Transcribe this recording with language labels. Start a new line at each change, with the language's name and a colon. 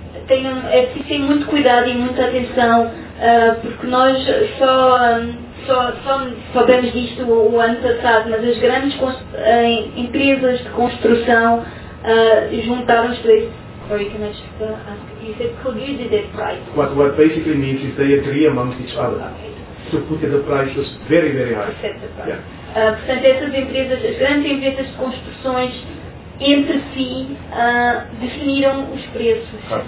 Portuguese: É preciso ter muito cuidado e muita atenção, porque nós só temos visto o ano passado, mas as grandes empresas de construção juntaram os preços.
English: Sorry, can I just ask? You said colluded their price. What basically means is they agree amongst each other. Okay. So put the prices very, very high. Set the price. Yeah.
Portuguese: Portanto, essas empresas, as grandes empresas de construções, entre si, definiram os preços.